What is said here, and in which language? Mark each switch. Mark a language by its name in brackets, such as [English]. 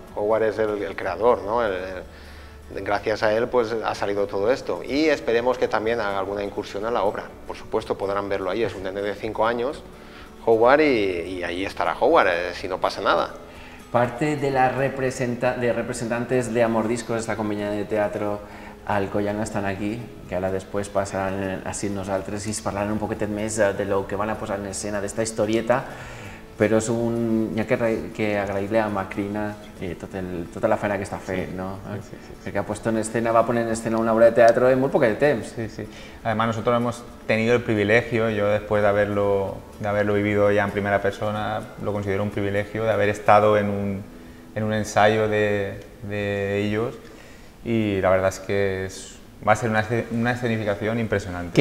[Spanish] Howard es el creador, ¿no? Gracias a él pues ha salido todo esto. Y esperemos que también haga alguna incursión a la obra. Por supuesto, podrán verlo ahí. Es un nene de 5 años, Howard, y ahí estará Howard, si no pasa nada. Parte de la representantes de Amordiscos, esta compañía de teatro, [Catalan] Alcoyano estan aquí, que ara després passaran així amb nosaltres i es parlaran un poquet més de lo que van a posar en escena d'esta historieta, però és un... hi ha que agrair-li a Macrina tota la feina que està fent, sí, no? Sí. Perquè ha posat en escena, va posar en escena una obra de teatre en molt poquet temps. Sí, sí. [Spanish] Además, nosotros hemos tenido el privilegio, yo después de haberlo vivido ya en primera persona, lo considero un privilegio de haber estado en un ensayo de ellos. Y la verdad es que va a ser una escenificación impresionante.